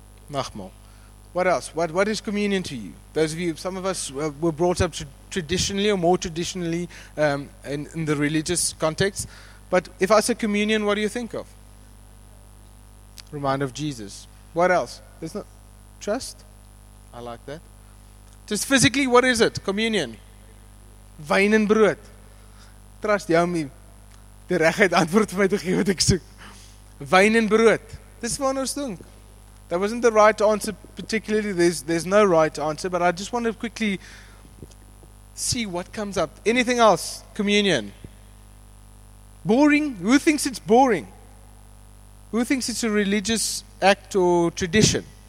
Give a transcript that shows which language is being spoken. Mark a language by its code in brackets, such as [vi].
[en] Nachmal. What else? What is communion to you? Those of you, some of us were brought up traditionally or more traditionally in the religious context. But if I say communion, what do you think of? Reminder of Jesus. What else? There's not trust? I like that. Just physically, what is it? [af] Communion. Wyn en brood. Trust jou om die regheid antwoord vir my te gee wat ek soek. Wyn en brood. Dis wat ons doen. [en] That wasn't the right answer particularly. There's no right answer, but I just want to quickly see what comes up. Anything else? Communion. Boring? Who thinks it's boring? Who thinks it's a religious act or tradition?